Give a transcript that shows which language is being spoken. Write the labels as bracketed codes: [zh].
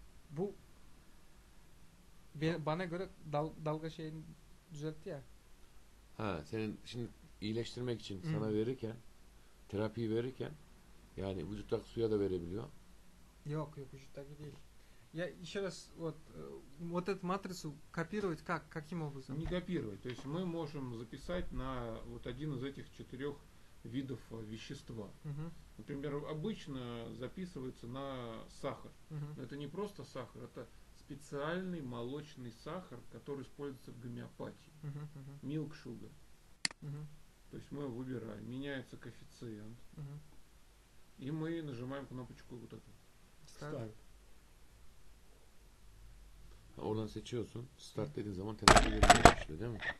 [tr] Bu bana göre dalga şeyini düzeltti ya. Ha, senin şimdi iyileştirmek için sana verirken, terapiyi verirken yani vücuttaki suya da verebiliyor. Yok vücuttaki değil. [ru] Я еще раз, вот эту матрицу копировать как? Каким образом? Не копировать. То есть мы можем записать на вот один из этих четырех видов вещества. Например, обычно записывается на сахар. Но это не просто сахар, это специальный молочный сахар, который используется в гомеопатии. [en] Milk sugar. [ru] То есть мы выбираем. Меняется коэффициент. И мы нажимаем кнопочку вот эту. Ставим. [tr] Oradan seçiyorsun. Start dediğin zaman terapi verilmiş oluyor, değil mi?